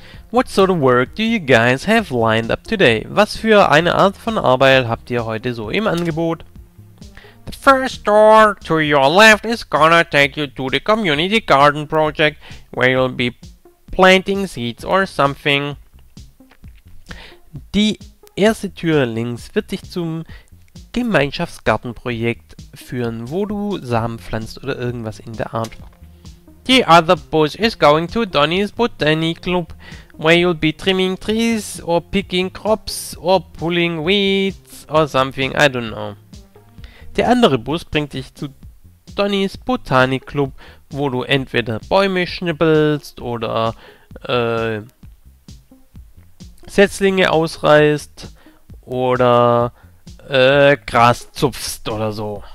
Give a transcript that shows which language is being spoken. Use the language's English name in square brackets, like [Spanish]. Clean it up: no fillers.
[English] What sort of work do you guys have lined up today? [German] Was für eine Art von Arbeit habt ihr heute so im Angebot? [English] The first door to your left is gonna take you to the community garden project, where you'll be planting seeds or something. [German] Die erste Tür links wird dich zum Gemeinschaftsgartenprojekt führen, wo du Samen pflanzt oder irgendwas in der Art. [English] The other bus is going to Donny's Botany Club, where you'll be trimming trees or picking crops or pulling weeds or something, I don't know. [German] Der andere Bus bringt dich zu Donny's Botany Club, wo du entweder Bäume schnippelst oder Setzlinge ausreißt oder Gras zupfst oder so.